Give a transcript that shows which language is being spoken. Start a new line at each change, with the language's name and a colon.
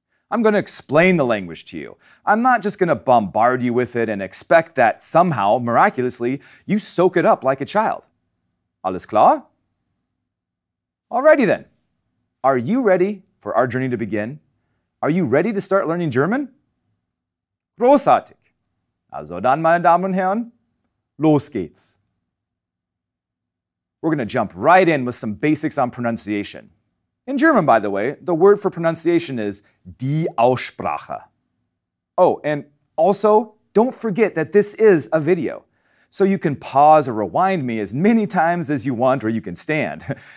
English: I'm going to explain the language to you. I'm not just going to bombard you with it and expect that somehow, miraculously, you soak it up like a child.
German: Alles klar?
English: Alrighty then. Are you ready for our journey to begin? Are you ready to start learning German?
German: Großartig. Also dann, meine Damen und Herren, los geht's.
English: We're going to jump right in with some basics on pronunciation. In German, by the way, the word for pronunciation is die Aussprache. Oh, and also, don't forget that this is a video. So you can pause or rewind me as many times as you want, or you can stand.